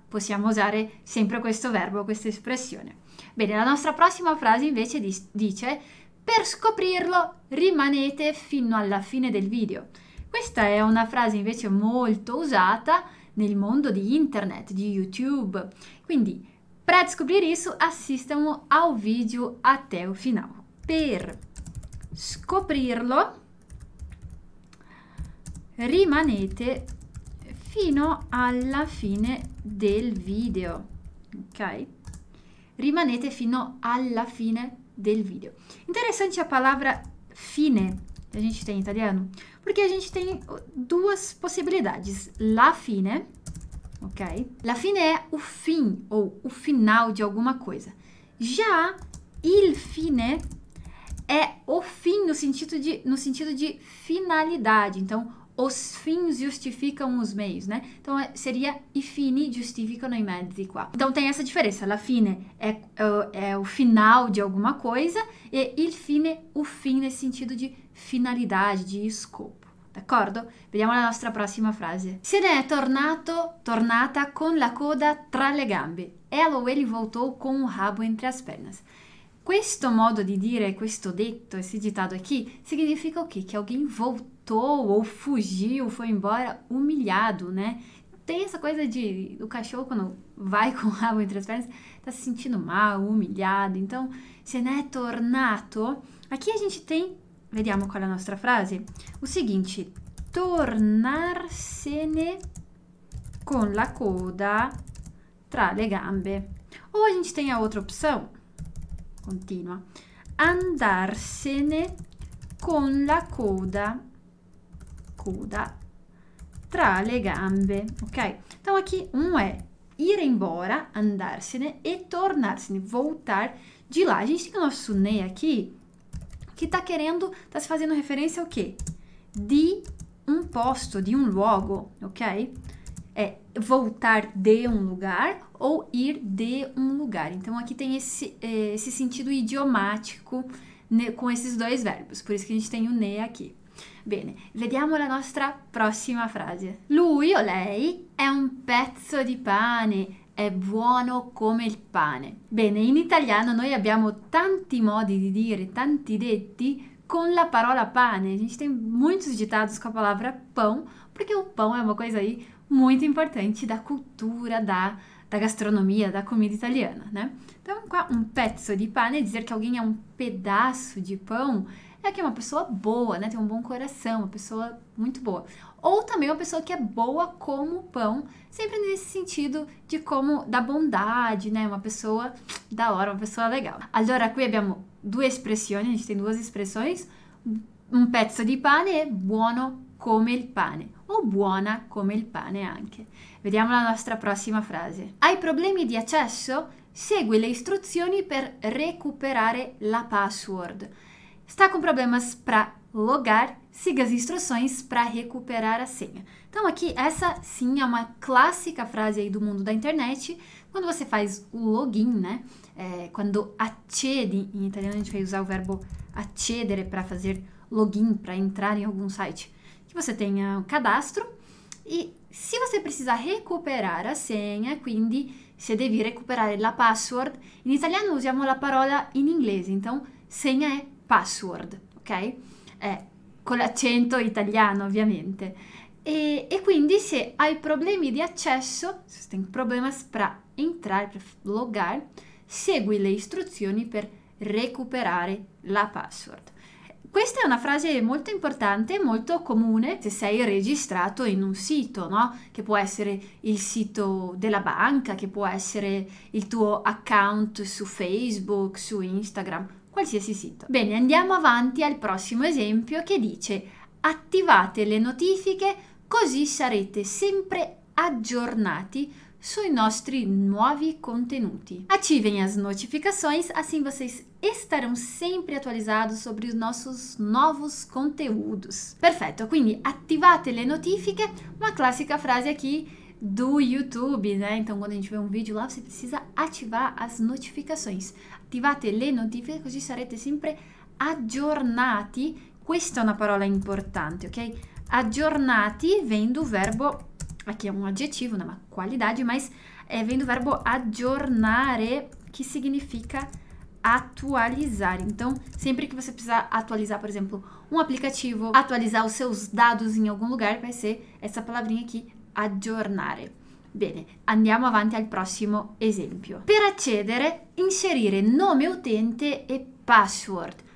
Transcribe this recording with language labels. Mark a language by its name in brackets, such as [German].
[Italian] Possiamo usare sempre questo verbo, questa espressione. Bene, la nostra prossima frase invece dice: per scoprirlo, rimanete fino alla fine del video. Questa è una frase invece molto usata nel mondo di internet, di YouTube. Quindi, per scoprire [Portuguese] isso, assistamo ao video até o final. [Italian] Per scoprirlo, rimanete fino alla fine del video. Ok? Rimanete fino alla fine del video. [Portuguese] Interessante a palavra fine. A gente tem em italiano? Porque a gente tem duas possibilidades. La fine, ok? La fine é o fim ou o final de alguma coisa. Já il fine é o fim no sentido de finalidade. Então, os fins justificam os meios, né? Então, seria [Italian] i fini giustificano i mezzi qua. [Portuguese] Então, tem essa diferença. La fine é o final de alguma coisa e il fine o fim nesse sentido de finalidade, de scopo. [Italian] D'accordo? Vediamo la nostra prossima frase. Se ne è tornato, tornata con la coda tra le gambe. [Portuguese] Ela ou ele voltou com o rabo entre as pernas. [Italian] Questo modo di dire, questo detto, [Portuguese] esse ditato aqui, significa o quê? Che alguém voltou. Ou fugiu, foi embora humilhado, né? Tem essa coisa de o cachorro quando vai com o rabo entre as pernas, tá se sentindo mal, humilhado. Então, [Italian] se ne è tornato. [Portuguese] Aqui a gente tem, [Italian] vediamo qual è la nostra frase, [Portuguese] o seguinte: [Italian] tornarsene con la coda tra le gambe. [Portuguese] Ou a gente tem a outra opção, continua: [Italian] andarsene con la coda tra le gambe, [Portuguese] ok? Então aqui um é ir embora, andarsene e tornarsene, voltar de lá. A gente tem o nosso ne aqui que tá se fazendo referência ao quê? De um posto, de um logo, ok? É voltar de um lugar ou ir de um lugar. Então aqui tem esse sentido idiomático com esses dois verbos. Por isso que a gente tem o ne aqui. [Italian] Bene, vediamo la nostra prossima frase. Lui o lei è un pezzo di pane, è buono come il pane. Bene, in italiano noi abbiamo tanti modi di dire, tanti detti con la parola pane. [Portuguese] A gente tem muito usado com a palavra pão, porque o pão é uma coisa aí muito importante da cultura, da gastronomia, da comida italiana, né? Então, qua um [Italian] pezzo di pane, [Portuguese] dizer que alguém é um pedaço de pão, é que é uma pessoa boa, né? Tem um bom coração, uma pessoa muito boa. Ou também uma pessoa que é boa como pão, sempre nesse sentido de como da bondade, né? Uma pessoa da hora, uma pessoa legal. [Italian] Allora, qui abbiamo due espressioni, [Portuguese] a gente tem duas expressões. [Italian] Um pezzo di pane é buono come il pane. O buona come il pane anche. Vediamo la nostra prossima frase. Hai problemi di accesso? Segui le istruzioni per recuperare la password. [Portuguese] Está com problemas para logar? Siga as instruções para recuperar a senha. Então aqui essa sim é uma clássica frase aí do mundo da internet. Quando você faz o login, né? É, quando accede, em italiano a gente vai usar o verbo accedere para fazer login, para entrar em algum site. Que você tenha um cadastro e se você precisa recuperar a senha, [Italian] quindi se devi recuperare la password, in italiano usiamo la parola in inglese, [Portuguese] então senha è password, ok? [Italian] Con l'accento italiano, ovviamente. E quindi se hai problemi di accesso, [Portuguese] se tem problemas para entrar, para logar, [Italian] segui le istruzioni per recuperare la password. Questa è una frase molto importante, molto comune se sei registrato in un sito, no? Che può essere il sito della banca, che può essere il tuo account su Facebook, su Instagram, qualsiasi sito. Bene, andiamo avanti al prossimo esempio che dice: attivate le notifiche così sarete sempre aggiornati sui nostri nuovi contenuti. [Portuguese] Ativem as notificações, assim vocês estarão sempre atualizados sobre os nossos novos conteúdos. Perfeito, [Italian] quindi ativate le notifiche, [Portuguese] uma clássica frase aqui do YouTube, né? Então, quando a gente vê um vídeo lá, você precisa ativar as notificações. [Italian] Ativate le notifiche, così sarete sempre aggiornati. Questa è una parola importante, ok? Aggiornati [Portuguese] vem do verbo. Aqui é um adjetivo, né? Uma qualidade, mas vem do verbo aggiornare, que significa atualizar. Então, sempre que você precisar atualizar, por exemplo, um aplicativo, atualizar os seus dados em algum lugar, vai ser essa palavrinha aqui, aggiornare. [Italian] Bene, andiamo avanti al prossimo esempio. Per accedere, inserire nome utente e password.